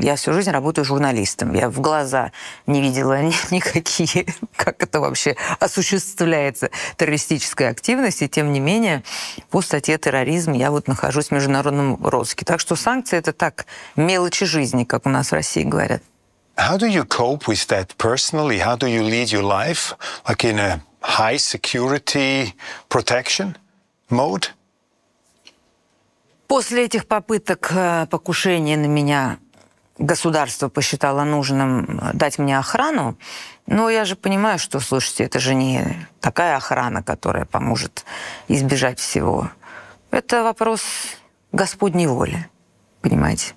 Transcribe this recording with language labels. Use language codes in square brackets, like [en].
[ru] Я всю жизнь работаю журналистом. Я в глаза не видела никакие, как это вообще осуществляется, террористическая активность. И тем не менее, по статье терроризм я вот нахожусь в международном розыске. Так что санкции – это так, мелочи жизни, как у нас в России говорят. [en] How do you cope with that personally? How do you lead your life like in a high security protection mode? [ru] После этих попыток покушения на меня государство посчитало нужным дать мне охрану, ну, я же понимаю, что, слушайте, это же не такая охрана, которая поможет избежать всего. Это вопрос Господней воли, понимаете?